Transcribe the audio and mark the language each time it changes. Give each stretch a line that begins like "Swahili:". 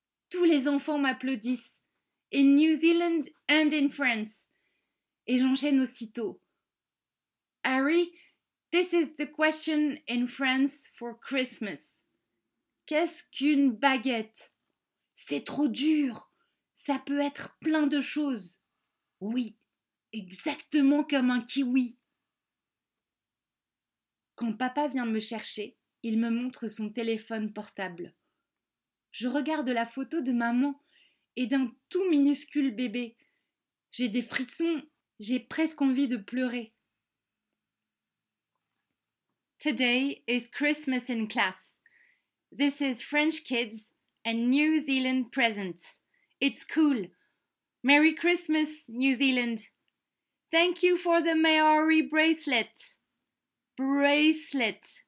French: Tous les enfants m'applaudissent,
English: in New Zealand and in France.
French: Et j'enchaîne aussitôt.
English: Harry, this is the question in France for Christmas.
French: Qu'est-ce qu'une baguette ? C'est trop dur ! Ça peut être plein de choses. Oui, exactement comme un kiwi. Quand papa vient me chercher, il me montre son téléphone portable. Je regarde la photo de maman et d'un tout minuscule bébé. J'ai des frissons, j'ai presque envie de pleurer.
English: Today is Christmas in class. This is French kids and New Zealand presents. It's cool. Merry Christmas, New Zealand. Thank you for the Maori bracelet. Bracelet.